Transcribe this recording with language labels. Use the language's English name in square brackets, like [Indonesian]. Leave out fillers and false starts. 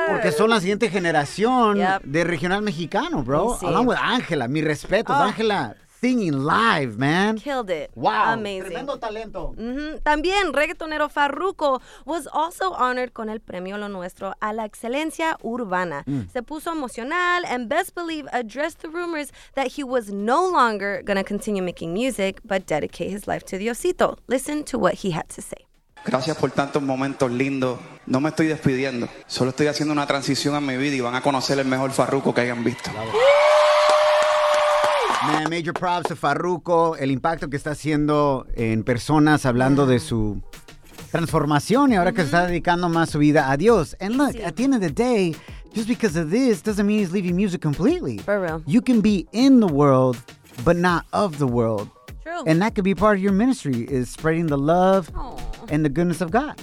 [Spanish] Porque son la siguiente generación de regional mexicano, bro. [English] We'll along with Ángela, [Spanish] mi respeto, Ángela. [English] Singing live, man. Killed it. Wow. Amazing. [Spanish] Tremendo talento. Mm-hmm. También reggaetonero Farruko [English] was also honored [Spanish] con el Premio Lo Nuestro a la Excelencia Urbana. Mm. Se puso emocional [English] and best believe addressed the rumors that he was no longer going to continue making music but dedicate his life to Diosito. Listen to what he had to say. [Spanish] Gracias por tantos momentos lindos. No me estoy despidiendo. Solo estoy haciendo una transición en mi vida y van a conocer el mejor Farruko que hayan visto. [English] Man, major props to [Spanish] Farruko, el impacto que está haciendo en personas hablando de su transformación y ahora que se está dedicando más su vida a Dios. [English] And look, at the end of the day, just because of this doesn't mean he's leaving music completely. For real. You can be in the world, but not of the world. True. And that could be part of your ministry, is spreading the love and the goodness of God.